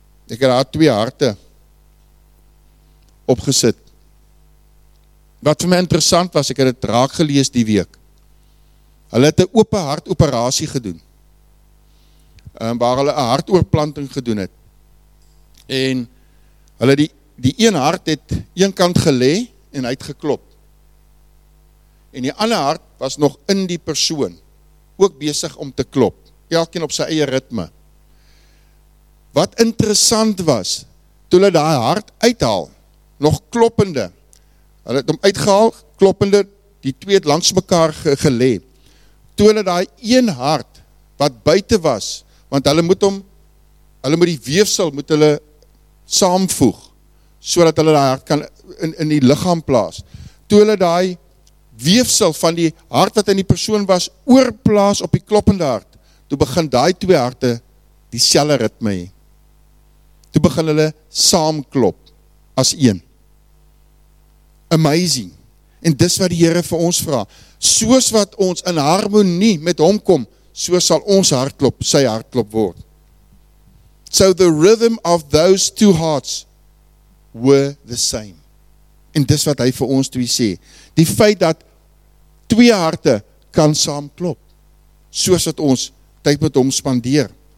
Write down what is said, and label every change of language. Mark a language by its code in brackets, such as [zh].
[af] Ek het daar twee harte opgesit. Wat vir my interessant was, ek het dit raak gelees die week. Hulle het 'n oop hart operasie gedoen. Waar hulle 'n hartoortplanting gedoen het. En hulle die een hart het een kant gelê en hy het geklop. En die ander hart was nog in die persoon, ook besig om te klop, elkeen op sy eie ritme. Wat interessant was, toe hulle daai hart uithaal, nog kloppende, hulle het hom uitgehaal, kloppende, die twee het langs mekaar gelê. Toe hulle daai een hart wat buite was, want hulle moet die weefsel saamvoeg, sodat hulle daai hart kan in die liggaam plaas. Toe hulle daai weefsel van die hart wat in die persoon was, oorplaas op die kloppende hart, toe begin daai twee harte dieselfde ritme hê. Toe begin hulle saam klop, as een. Amazing. En dis wat die Here vir ons vra. Soos wat ons in harmonie met hom kom, so sal ons hartklop, sy hartklop word. [en] So the rhythm of those two hearts were the same. [af] En dis wat hy vir ons toe sê. Die feit dat twee harte kan saam klop, soos wat ons tyd met hom spandeer.